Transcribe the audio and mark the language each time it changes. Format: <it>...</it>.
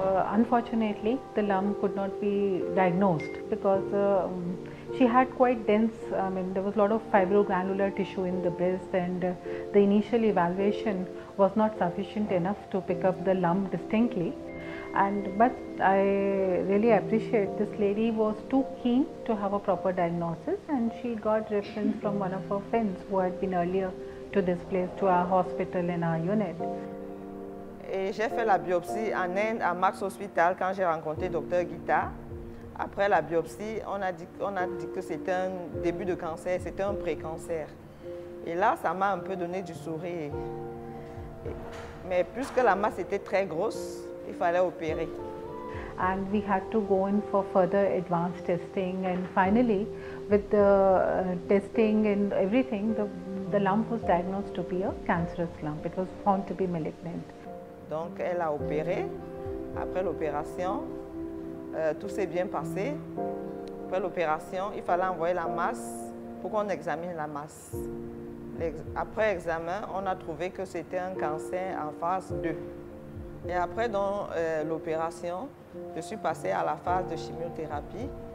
<en>Unfortunately, the lump could not be diagnosed because she had quite dense, there was a lot of fibrogranular tissue in the breast, and the initial evaluation was not sufficient enough to pick up the lump distinctly. But I really appreciate this lady was too keen to have a proper diagnosis, and she got reference from one of her friends who had been earlier to this place, to our hospital and our unit.</en> <fr>J'ai fait la biopsie en Inde à Max Hospital quand j'ai rencontré Dr Gita. Après la biopsie, on a dit que c'était un début de cancer, c'était un pré-cancer. Et là, ça m'a un peu donné du sourire. Mais puisque la masse était très grosse, il fallait opérer.</fr> <en>And we had to go in for further advanced testing, and finally, with the testing and everything, the lump was diagnosed to be a cancerous lump. It was found to be malignant.</en> <fr>Donc elle a opéré. Après l'opération, tout s'est bien passé. Après l'opération, il fallait envoyer la masse pour qu'on examine la masse. Après examen, on a trouvé que c'était un cancer en phase 2. Et après donc l'opération, je suis passée à la phase de chimiothérapie.</fr>